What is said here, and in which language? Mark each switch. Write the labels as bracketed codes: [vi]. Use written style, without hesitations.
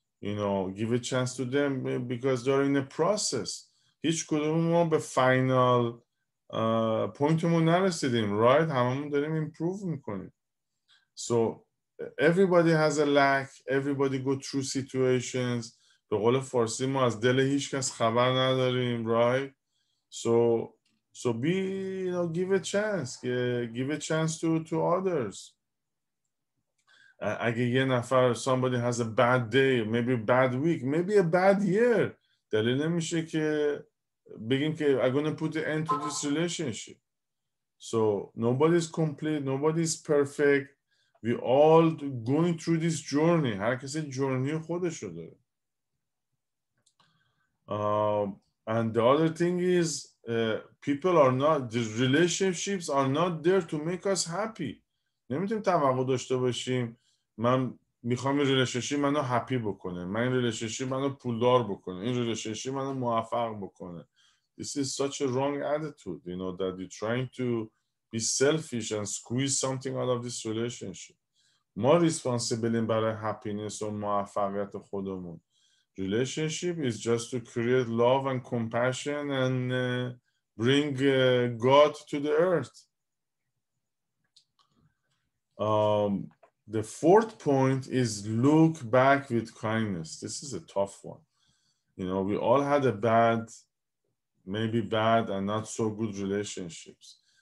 [en] You know, give a chance to them because they are in a process. [fa] هیچ کدوم ما به final pointمون نرسیدیم. [en] Right? [fa] همه ما داریم improve میکنیم. So [en] everybody has a lack, everybody go through situations. [fa] به قول فارسی ما از دل هیچ کس خبر نداریم, [en] right? So be, you know, give a chance to others. [fa] اگه یه نفر, [en] somebody has a bad day, maybe bad week, maybe a bad year, [fa] دلیل نمیشه که بگیم که [en] I'm going to put an end to this relationship. So nobody's complete, nobody's perfect. We all going through this journey. [fa] هر کسی جورنی خودشو داره. [en] And the other thing is, people are not, these relationships are not there to make us happy. [fa] نمیتونیم توقع داشته باشیم من میخوام این ریلیشنشیپ منو هپی بکنه, من این ریلیشنشیپ منو پولدار بکنه, این ریلیشنشیپ منو موفق بکنه. [en] This is such a wrong attitude, you know, that you're trying to be selfish and squeeze something out of this relationship. [fa] ما ریسپانسیبلیم برای هپینس و موفقیت خودمون. [en] Relationship is just to create love and compassion and bring God to the earth. The fourth point is look back with kindness. This is a tough one. You know, we all had a bad, maybe bad and not so good relationships.